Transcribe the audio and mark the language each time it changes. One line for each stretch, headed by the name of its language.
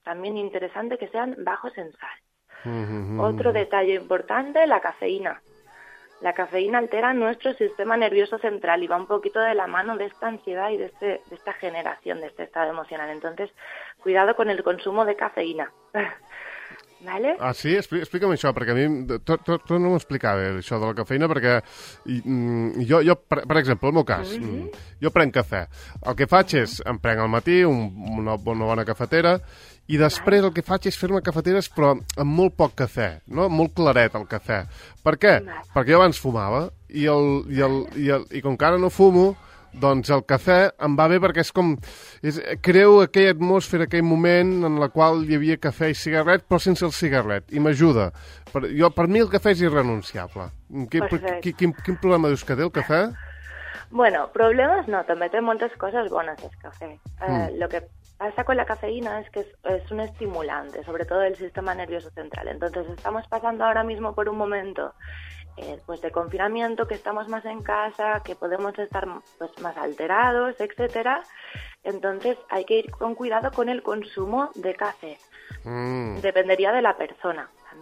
Spanish: También interesante que sean bajos en sal. Otro detalle importante, la cafeína. La cafeína altera nuestro sistema nervioso central y va un poquito de la mano de esta ansiedad y de esta generación, de este estado emocional. Entonces, cuidado con el consumo de cafeína. ¿Vale?
Catalan: Ah, sí? Explica'm això, perquè a mi tot no m'explicava, això de la cafeína, perquè jo per exemple, el meu cas, jo prenc cafè. El que faig és, em prenc al matí una bona cafetera, i després el que faig és fer-me cafeteres, però amb molt poc cafè, no? Molt claret el cafè. Per què? Perquè jo abans fumava, i com que ara no fumo, doncs el cafè em va bé perquè és com... Creu aquella atmosfera, aquell moment en la qual hi havia cafè i cigarret, però sense el cigarret, i m'ajuda. Per mi el cafè és irrenunciable. Quin problema dius que té el cafè? Bueno, problemes no, també té moltes coses bones el cafè.
Spanish: Lo que pasa con la cafeína es que es un estimulante, sobre todo del sistema nervioso central. Entonces estamos pasando ahora mismo por un momento pues de confinamiento, que estamos más en casa, que podemos estar pues más alterados, etcétera. Entonces hay que ir con cuidado con el consumo de café. Dependería de la persona también.